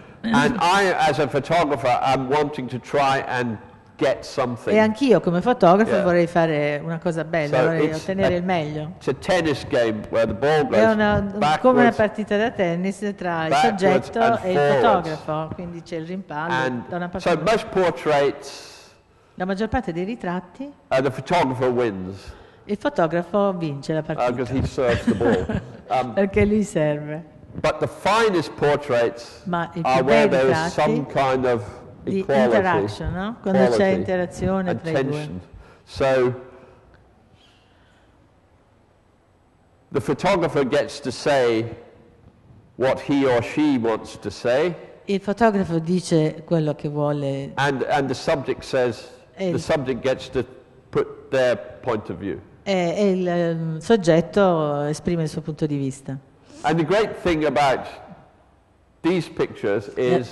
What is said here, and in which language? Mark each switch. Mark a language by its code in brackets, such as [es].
[en] And I, as a photographer, I'm wanting to try and get something. [it] E anch'io, come fotografo, yeah. Vorrei fare una cosa bella, vorrei ottenere il meglio. [en] It's a tennis game where the ball goes backwards. [it] È come una partita da tennis tra il soggetto e il fotografo, quindi c'è il rimpallo [en] and [it] da una parte. [en] So most portraits. [it] La maggior parte dei ritratti. [en] The photographer wins. [it] Il fotografo vince la partita. [en] Because he serves the ball. [it] Perché lui serve. [en] But the finest portraits are where there is some kind of equality, [it] interaction, no? Quando c'è interazione tra [en] attention. [it] I due. [en] So the photographer gets to say what he or she wants to say. [it] Il fotografo dice quello che vuole. [en] And the subject says the subject gets to put their point of view. [it] E il soggetto esprime il suo punto di vista. [en] And the great thing about these pictures is